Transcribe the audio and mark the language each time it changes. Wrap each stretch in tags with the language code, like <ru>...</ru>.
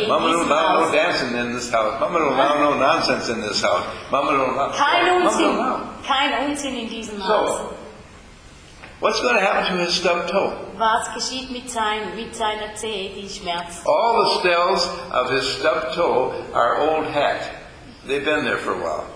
<en>Yeah, Mama don't allow no dancing in this house. Mama don't allow no nonsense in this house. Mama don't allow.</en> <de>Kein Unsinn in diesem Haus.</de> <en>What's going to happen to his stub toe?</en> <de>Was geschieht mit seiner Zehe, die Schmerzen?</de> <en>All the cells of his stub toe are old hat. They've been there for a while.</en>